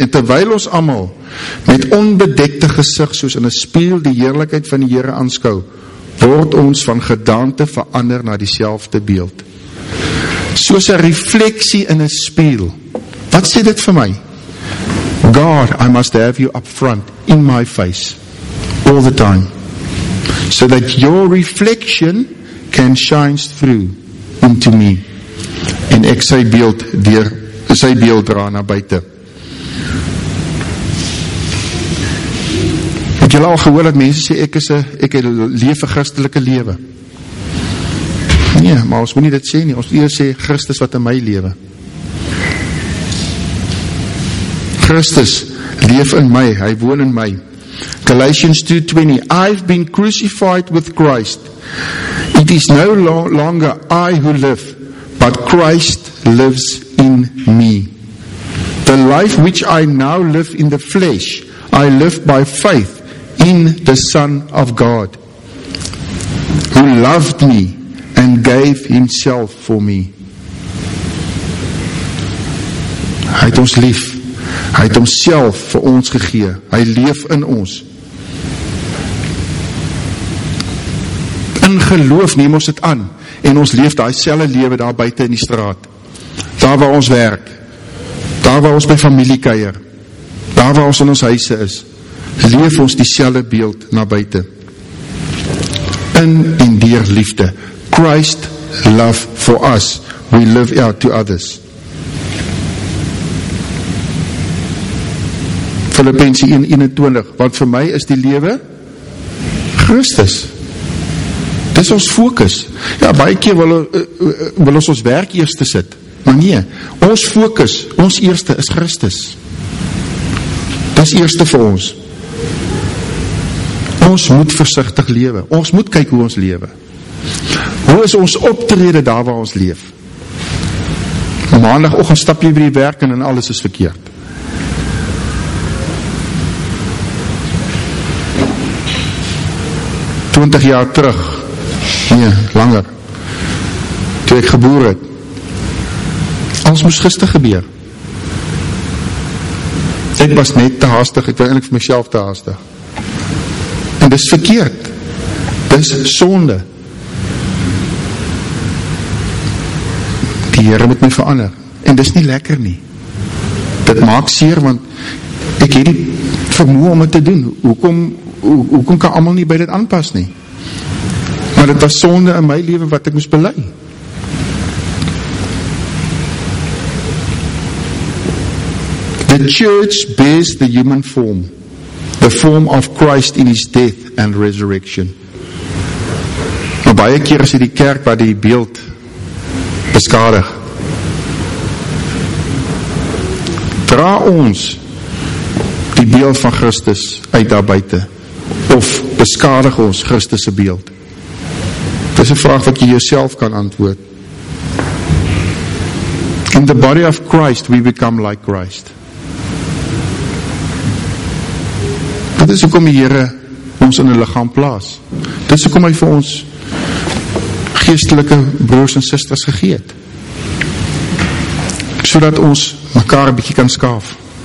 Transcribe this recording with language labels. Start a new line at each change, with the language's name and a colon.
Afrikaans: En terwyl ons allemaal met onbedekte gezicht soos in een spiel die heerlijkheid van die Here aanskou, word ons van gedaante verander na dieselfde beeld. Soos een refleksie in een spiel. Wat sê dit vir my?
English: God, I must have you up front, in my face, all the time. So that your reflection can shine through into me.
Afrikaans: En ek sy beeld deur sy beeld dra na buite. Het julle al gehoor dat mense sê, ek het lewe christelike lewe? Nee, maar ons moet nie dit sê nie, ons moet eers sê, Christus wat in my lewe. Christus leef in my, hy woon in my. Galatians 2:20,
English: I've been crucified with Christ. It is no longer I who live, but Christ lives in me. The life which I now live in the flesh, I live by faith in the Son of God, who loved me and gave himself for me.
Afrikaans: Hy het ons lief. Hy het homself vir ons gegee. Hy leef in ons. In geloof neem ons het aan en ons leef daai selfe lewe daar buite in die straat. Daar waar ons werk, daar waar ons by familie kuier, daar waar ons in ons huise is, leef ons dieselfde beeld na buite. In en deur liefde.
English: Christ love for us. We live out to others.
Afrikaans: Filippense 1:21, want vir my is die lewe Christus. Dis ons fokus. Ja, baie keer wil ons werk eers te sit. Maar nee, ons fokus, ons eerste is Christus. Dis eerste vir ons. Ons moet versigtig lewe. Ons moet kyk hoe ons lewe. Hoe is ons optrede daar waar ons leef? Maandagoggend stap jy by die werk en alles is verkeerd. Twintig jaar terug, nee, langer, toe ek geboor het, alles moes gister gebeur. Ek was net te haastig, ek was eintlik vir myself te haastig. En dis verkeerd. Dis sonde. Die Here moet my verander. En dis nie lekker nie. Dit maak seer, want ek het die vermoë om dit te doen. Hoekom kan almal nie by dit aanpas nie? Maar dit was sonde in my lewe wat ek moes bely.
English: The church bears the human form, the form of Christ in his death and resurrection.
Afrikaans: Maar baie keer is die kerk waar die beeld beskadig. Dra ons die beeld van Christus uit daar buite, of beskadig ons Christus' beeld? Dit is een vraag wat jy jouself kan antwoord.
English: In the body of Christ, we become like Christ.
Afrikaans: Dit is hoekom die Here ons in 'n liggaam plaas. Dit is hoekom hy vir ons geestelike broers en susters gegee het. Sodat ons mekaar 'n bietjie kan skaaf.